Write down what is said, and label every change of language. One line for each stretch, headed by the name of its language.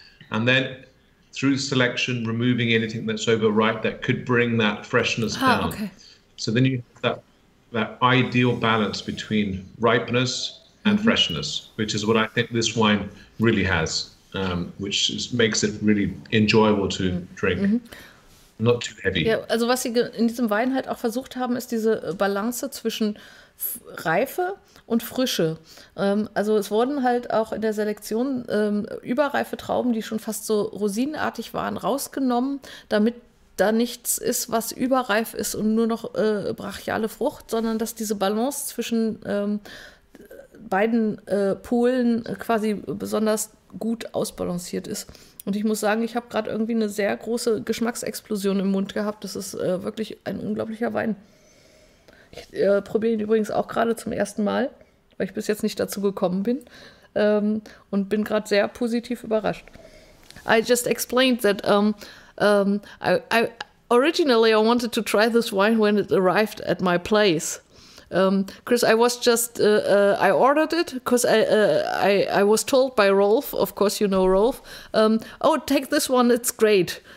English: And then through selection, removing anything that's overripe that could bring that freshness down. Okay. So then you have that ideal balance between ripeness and mm-hmm. freshness, which is what I think this wine really has, which makes it really enjoyable to mm-hmm. drink. Mm-hmm. Not too heavy.
German: Ja, also was sie in diesem Wein halt auch versucht haben, ist diese Balance zwischen Reife und Frische. Also es wurden halt auch in der Selektion überreife Trauben, die schon fast so rosinenartig waren, rausgenommen, damit da nichts ist, was überreif ist und nur noch brachiale Frucht, sondern dass diese Balance zwischen beiden Polen quasi besonders gut ausbalanciert ist. Und ich muss sagen, ich habe gerade irgendwie eine sehr große Geschmacksexplosion im Mund gehabt. Das ist wirklich ein unglaublicher Wein. Ich probiere ihn übrigens auch gerade zum ersten Mal, weil ich bis jetzt nicht dazu gekommen bin. Und bin gerade sehr positiv überrascht.
English: I just explained that I wanted to try this wine when it arrived at my place. Chris, I was just, I ordered it because I was told by Rolf, of course you know Rolf, take this one, it's great.